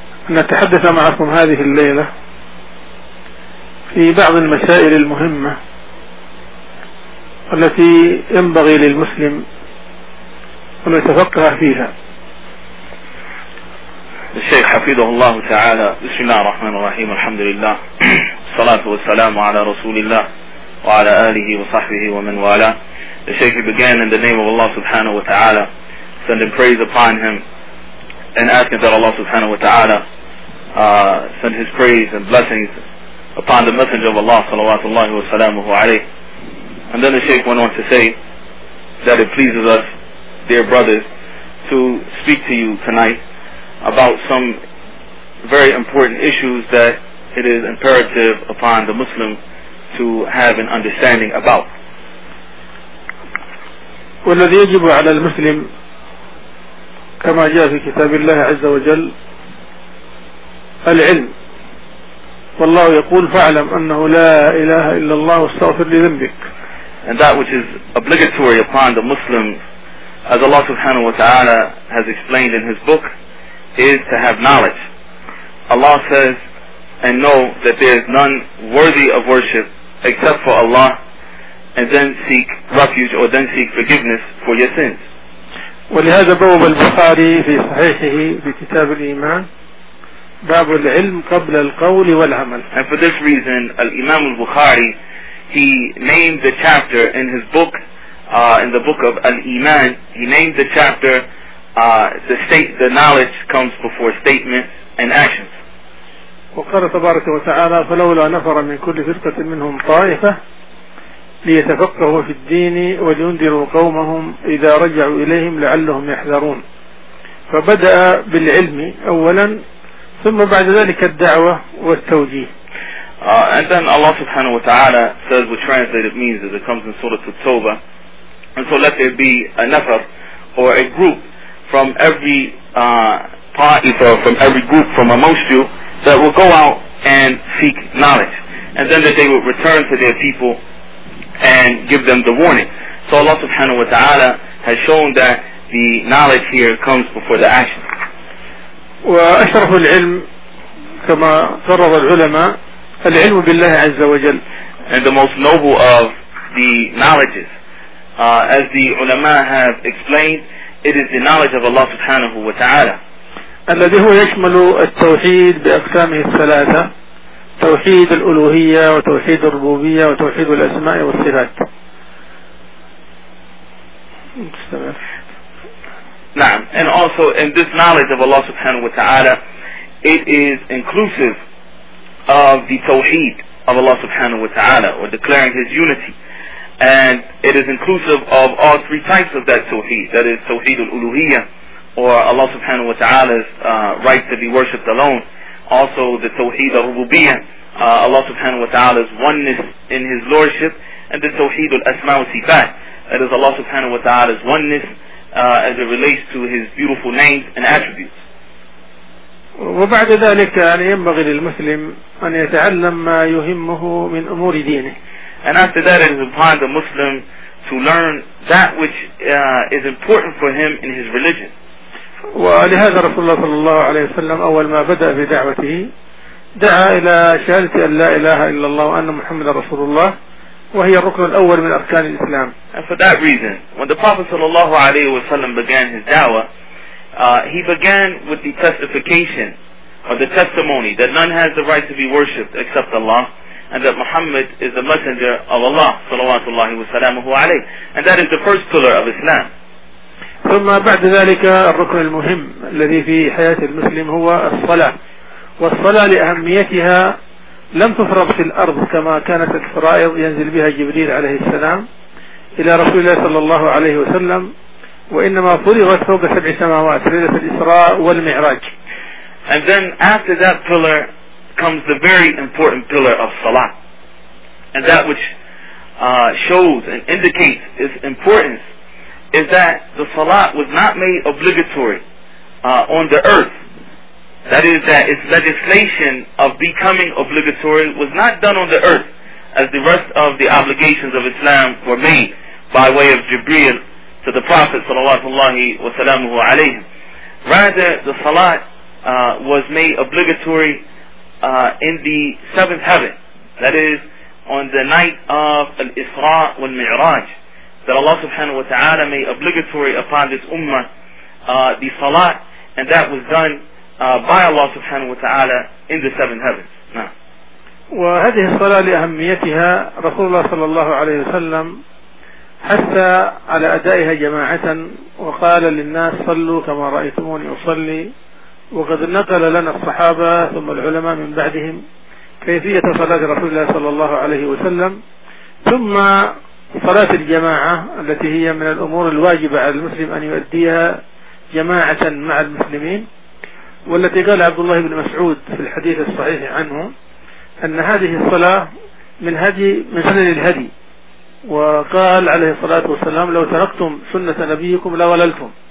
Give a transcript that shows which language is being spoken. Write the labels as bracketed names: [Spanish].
[Arabic] أن أتحدث معكم هذه الليلة في بعض المسائل المهمة التي ينبغي للمسلم أن يتفقه فيها. الشيخ حفظه الله تعالى، بسم الله الرحمن الرحيم، الحمد لله، الصلاة والسلام على رسول الله وعلى آله وصحبه ومن والاه. [English] The Shaykh began in the name of Allah subhanahu wa ta'ala, sending praise upon him and asking that Allah subhanahu wa ta'ala send his praise and blessings upon the Messenger of Allah salawatullahi wa salamuhu alayhi. And then the Shaykh went on to say that it pleases us, dear brothers, to speak to you tonight about some very important issues that it is imperative upon the Muslim to have an understanding about. [Arabic] والذي يجب على المسلم كما جاء في كتاب الله عز وجل العلم، والله يقول فاعلم أنه لا إله إلا الله واستغفر لذنبك. [English] And that which is obligatory upon the Muslim, as Allah subhanahu wa ta'ala has explained in his book, is to have knowledge. Allah says, and know that there is none worthy of worship except for Allah, and then seek refuge or then seek forgiveness for your sins. [Arabic] ولهذا باب البخاري في صحيحه في كتاب الإيمان باب العلم قبل القول والعمل. [English] And for this reason, Imam al-Bukhari, he named the chapter in his book, in the book of al-Iman, he named the chapter the knowledge comes before statements and actions. [Arabic] وقال تبارك وتعالى فلولا نفر من كل فرقة منهم طائفة ليتفقهوا في الدين ولينذروا قومهم إذا رجعوا إليهم لعلهم يحذرون. فبدأ بالعلم أولا، ثم بعد ذلك الدعوة والتوجيه. [English] And then Allah subhanahu wa ta'ala says what translated means is it comes in Surah At-Tawbah. And so let there be a nafar or a group from every party, from every group from amongst you that will go out and seek knowledge, and then that they will return to their people and give them the warning. So Allah subhanahu wa ta'ala has shown that the knowledge here comes before the action. [Arabic] وأشرف العلم كما قرر العلماء العلم بالله عز وجل. [English] And the most noble of the knowledges, as the ulama have explained, it is the knowledge of Allah subhanahu wa ta'ala. [Arabic] الذي هو يشمل التوحيد بأقسامه الثلاثة، توحيد الألوهية وتوحيد الربوبية وتوحيد الأسماء والصفات. نعم. [English] And also in this knowledge of Allah subhanahu wa ta'ala, it is inclusive of the توحيد of Allah subhanahu wa ta'ala, or declaring his unity. And it is inclusive of all three types of that tawheed. That is tawheed al-uluhiyya, or Allah subhanahu wa ta'ala's right to be worshipped alone. Also the tawheed al-rububiyya, Allah subhanahu wa ta'ala's oneness in His lordship. And the tawheed al-asma wa sifat, that is Allah subhanahu wa ta'ala's oneness as it relates to His beautiful names and attributes. [Arabic] وبعد ذلك يعني ينبغي للمسلم أن يتعلم ما يهمه من أمور دينه. [English] And after that, it is upon the Muslim to learn that which is important for him in his religion. [Arabic] ولهذا رسول الله صلى الله عليه وسلم أول ما بدأ بدعوته دعا إلى شهادة أن لا إله إلا الله وأن محمد رسول الله وهي الركن الأول من أركان الإسلام. [English] And for that reason, when the Prophet [Arabic] صلى الله عليه وسلم [English] began his dawah, he began with the testification or the testimony that none has the right to be worshipped except Allah, and that Muhammad is the messenger of Allah [Arabic] صلوات الله وسلامه عليه, [English] and that is the first pillar of Islam. [Arabic] ثم بعد ذلك الركن المهم الذي في حياة المسلم هو الصلاة, والصلاة لأهميتها لم تفرض في الأرض كما كانت الفرائض ينزل بها جبريل عليه السلام إلى رسول الله صلى الله عليه وسلم, وإنما فرغت فوق سبع سماوات ليلة الإسراء والمعراج. [English] And then after that pillar comes the very important pillar of Salah, and that which shows and indicates its importance is that the Salah was not made obligatory on the earth. That is, that its legislation of becoming obligatory was not done on the earth, as the rest of the obligations of Islam were made by way of Jibreel to the Prophet sallallahu alaihi wasallamuhu alayhi. Rather, the Salah was made obligatory in the seventh heaven, that is on the night of Al-Isra wal-Mi'raj, that Allah subhanahu wa ta'ala made obligatory upon this ummah the Salat, and that was done by Allah subhanahu wa ta'ala in the seventh heaven. [Arabic] وهذه الصلاة لأهميتها رسول الله صلى الله عليه وسلم حث على أدائها جماعة وقال للناس صلوا كما رأيتموني أصلي. وقد نقل لنا الصحابة ثم العلماء من بعدهم كيفية صلاة رسول الله صلى الله عليه وسلم, ثم صلاة الجماعة التي هي من الأمور الواجبة على المسلم أن يؤديها جماعة مع المسلمين, والتي قال عبد الله بن مسعود في الحديث الصحيح عنه أن هذه الصلاة من هدي من سنن الهدي, وقال عليه الصلاة والسلام لو تركتم سنة نبيكم لوللتم.